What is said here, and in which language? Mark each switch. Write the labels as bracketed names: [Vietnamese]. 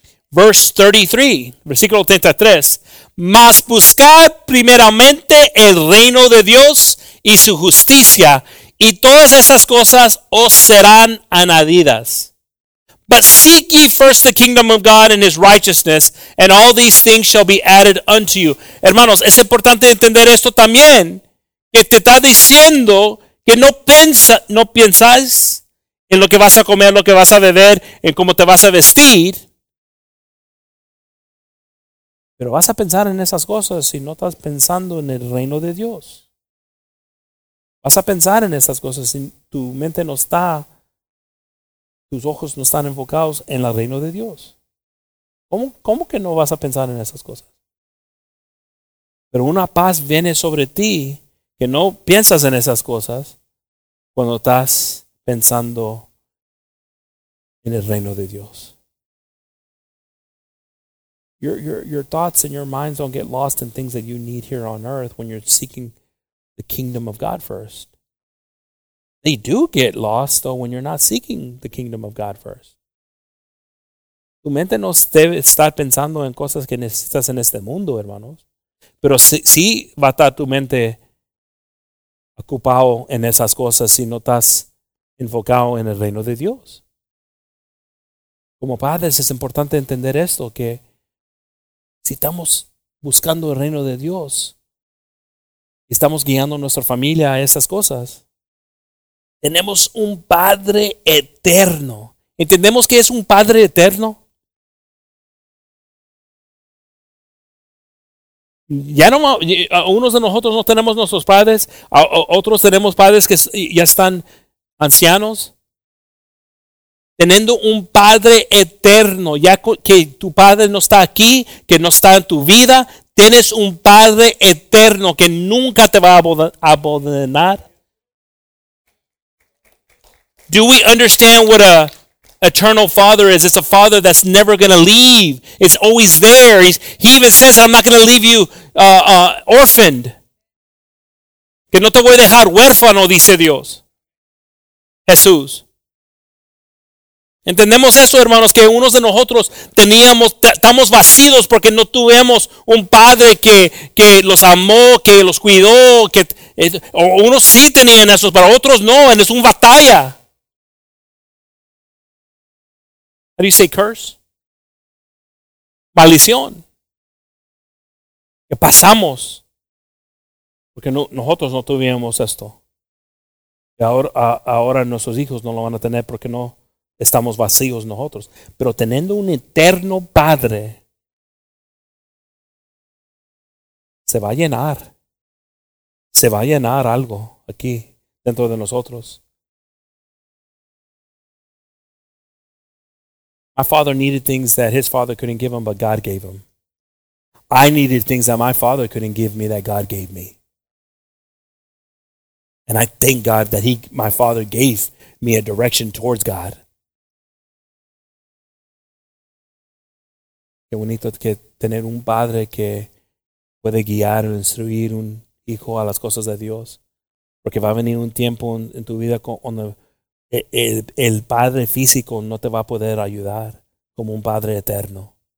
[English] Verse 33, [Spanish] versículo 33, mas buscar primeramente el reino de Dios y su justicia, y todas esas cosas os serán añadidas. [English] But seek ye first the kingdom of God and his righteousness, and all these things shall be added unto you. [Spanish] Hermanos, es importante entender esto también, que te está diciendo que no piensas en lo que vas a comer, lo que vas a beber, en cómo te vas a vestir. Pero vas a pensar en esas cosas si no estás pensando en el reino de Dios. Vas a pensar en esas cosas si tu mente no está, tus ojos no están enfocados en el reino de Dios. ¿Cómo que no vas a pensar en esas cosas? Pero una paz viene sobre ti que no piensas en esas cosas cuando estás pensando en el reino de Dios. [English] Your thoughts and your minds don't get lost in things that you need here on earth when you're seeking the kingdom of God first. They do get lost, though, when you're not seeking the kingdom of God first. [Spanish] Tu mente no debe estar pensando en cosas que necesitas en este mundo, hermanos. Pero sí va a estar tu mente ocupado en esas cosas si no estás enfocado en el reino de Dios. Como padres, es importante entender esto, que si estamos buscando el reino de Dios, estamos guiando a nuestra familia a esas cosas. Tenemos un Padre eterno. ¿Entendemos qué es un Padre eterno? Ya no, unos de nosotros no tenemos nuestros padres, otros tenemos padres que ya están ancianos. Teniendo un Padre eterno, ya que tu Padre no está aquí, que no está en tu vida, tienes un Padre eterno que nunca te va a abandonar. [English] Do we understand what a eternal Father is? It's a Father that's never going to leave. It's always there. He even says, I'm not going to leave you orphaned. [Spanish] Que no te voy a dejar huérfano, dice Dios. Jesús. Entendemos eso, hermanos, que unos de nosotros estamos vacíos porque no tuvimos un padre que los amó, que los cuidó, unos sí tenían eso, pero otros no, and es una batalla. [English] How do you say curse? Maldición. [Spanish] Que pasamos porque nosotros no tuvimos esto. Y ahora nuestros hijos no lo van a tener porque no estamos vacíos nosotros. Pero teniendo un eterno Padre, se va a llenar. Se va a llenar algo aquí dentro de nosotros. [English] My father needed things that his father couldn't give him, but God gave him. I needed things that my father couldn't give me that God gave me. And I thank God that my father gave me a direction towards God. [Spanish] Qué bonito que tener un padre que puede guiar o instruir un hijo a las cosas de Dios. Porque va a venir un tiempo en tu vida donde el padre físico no te va a poder ayudar como un padre eterno.